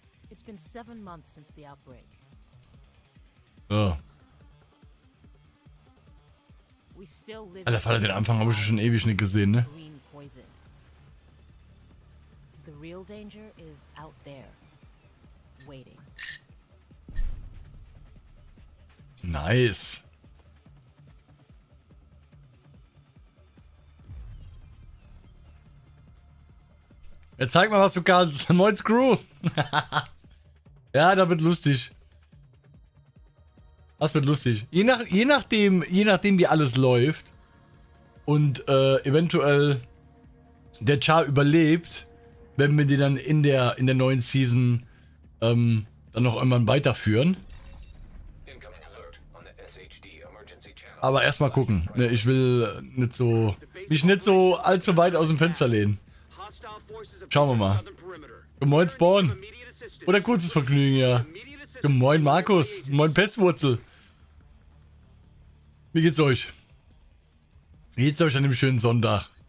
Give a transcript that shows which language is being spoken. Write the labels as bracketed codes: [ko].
[en] It's been 7 months since the outbreak. Oh. [de] Alter, Vater, den Anfang habe ich schon ewig nicht gesehen, ne? [en] The real danger is out there, waiting. Nice. [de] Jetzt zeig mal, was du kannst. Moin, Screw. Ja, da wird lustig. Das wird lustig. Je nachdem, wie alles läuft und eventuell der Char überlebt, werden wir den dann in der neuen Season dann noch irgendwann weiterführen. [en] Incoming Alert on the SHD Emergency Channel. [de] Aber erstmal gucken. Ne, ich will nicht so. Mich nicht so allzu weit aus dem Fenster lehnen. Schauen wir mal. Gemoin Spawn. Oder kurzes Vergnügen, ja. Gemoin Markus. Gemoin Pestwurzel. Wie geht's euch? Wie geht's euch an dem schönen Sonntag?